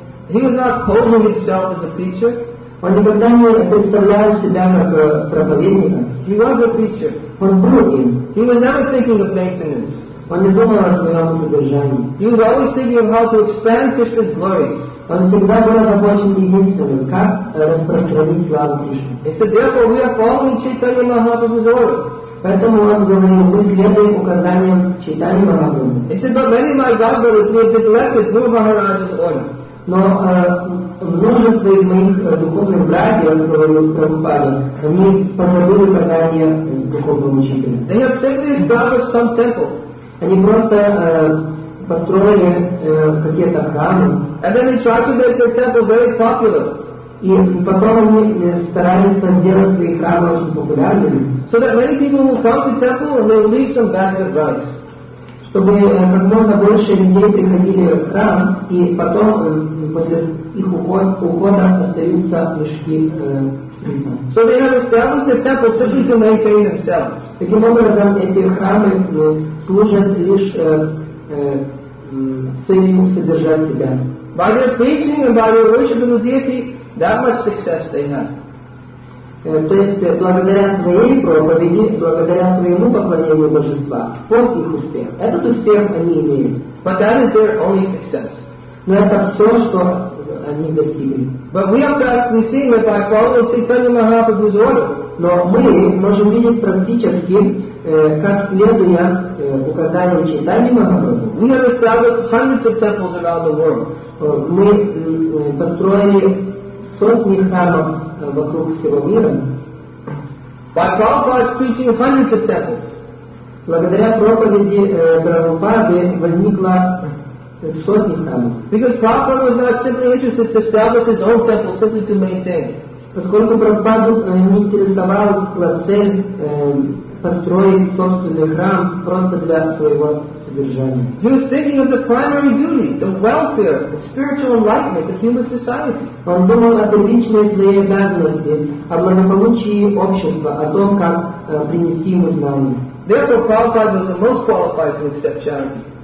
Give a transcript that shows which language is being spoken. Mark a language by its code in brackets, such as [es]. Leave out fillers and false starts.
[en] He was not posing himself as a preacher. [ru] Он никогда не представлял себя как проповедника. [en] He was a preacher. [ru] Он был им. [en] He was never thinking of maintenance. [ru] Он не думал о своем содержании. [en] He was always thinking of how to expand Krishna's glories. [ru] Он всегда был озабочен единственным, как распространить славу Кришны. [en] He said, therefore, we are following Chaitanya Mahaprabhu's order. [ru] Поэтому он говорил, мы следуем указаниям Чайтаньи Махапрабху. [en] He said, but many of my godbrothers, we have neglected Guru Maharaj's order. [ru] Но множество из моих духовных братьев, говорил Прабхупада, они позабыли указания духовного учителя. [en] They have simply established some temple. [ru] Они просто построили какие-то храмы. [en] And then they try to make their temple very popular. [ru] И потом они стараются сделать свои храмы очень популярными. [en] So that many people will come to the temple and they will leave some bags of rice. [ru] Чтобы как можно больше людей приходили в храм, и потом после их ухода остаются мешки. [en] So they have established the temple simply to maintain themselves. [ru] Таким образом, эти храмы служат лишь целью содержать себя. [en] By their preaching and by their worship of the deity, that much success they have. [ru] То есть благодаря своей проповеди, благодаря своему поклонению божества, вот их успех. Этот успех они имеют. [en] But that is their only success. [ru] Но это все, что они достигли. [en] But we are practically seeing that by following Chaitanya Mahaprabhu's order. [ru] Но мы можем видеть практически, как следуя указаниям Чайтаньи Махапрабху. [en] We have established hundreds of temples around the world. [ru] Мы построили сотни храмов вокруг всего мира. [en] By Prabhupada's preaching hundreds of temples. [ru] Благодаря проповеди Прабхупады возникло сотни храмов. [en] Because Prabhupada was not simply interested to establish his own temple simply to maintain. [ru] Поскольку Прабхупаду не интересовала цель построить собственный храм просто для своего содержания. [en] He was thinking of the primary duty, the welfare, the spiritual enlightenment of human society. [ru] Он думал о личной своей обязанности, о благополучии общества, о том, как принести ему знания. [en] Therefore, Prabhupada was the most qualified to accept charity.